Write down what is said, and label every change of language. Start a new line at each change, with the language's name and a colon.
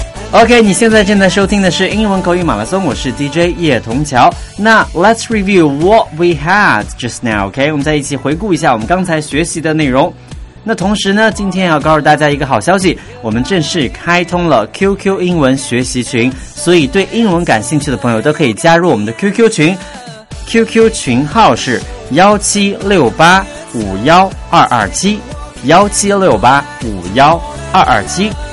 Chinese: OK, 你现在正在收听的是英文口语马拉松，我是 DJ 叶童桥。那
English: let's review what we had just now, OK?
Chinese: 我们再一起回顾一下我们刚才学习的内容。那同时呢，今天要告诉大家一个好消息，我们正式开通了 QQ 英文学习群，所以对英文感兴趣的朋友都可以加入我们的 QQ 群， QQ 群号是17685127 17685127。